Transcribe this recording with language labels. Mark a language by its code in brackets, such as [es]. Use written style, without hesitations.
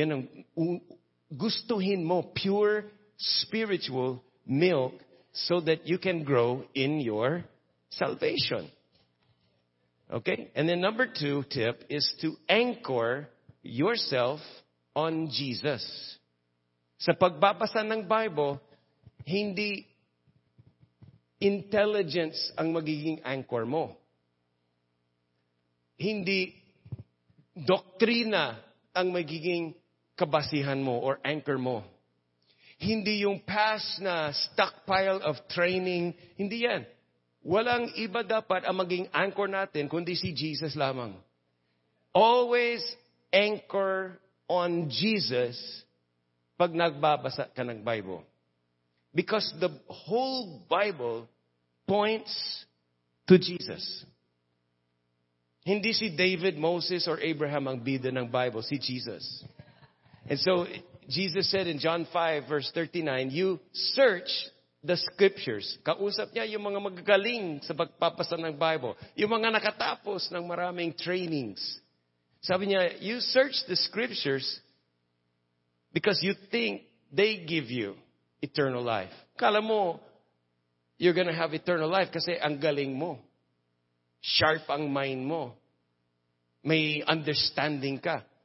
[tl] Yan ang gustuhin mo, [en] pure spiritual milk so that you can grow in your salvation. Okay? And then number two tip is to anchor yourself on Jesus. [tl] Sa pagbabasa ng Bible, hindi intelligence ang magiging anchor mo. Hindi doktrina ang magiging kabasihan mo or anchor mo. Hindi yung past na stockpile of training. Hindi yan. Walang iba dapat ang maging anchor natin kundi si Jesus lamang. [en] Always anchor on Jesus [tl] pag nagbabasa ka ng Bible. [en] Because the whole Bible points to Jesus. [tl] Hindi si David, Moses, or Abraham ang bida ng Bible. Si Jesus. [en] And so, Jesus said in John 5, verse 39, you search the scriptures. [tl] Kausap niya yung mga magagaling sa pagpapasa ng Bible. Yung mga nakatapos ng maraming trainings. Sabi niya, [en] you search the scriptures because you think they give you eternal life. [tl] Kala mo, [en] you're gonna have eternal life [tl] kasi ang galing mo. Sharp ang mind mo. May understanding ka.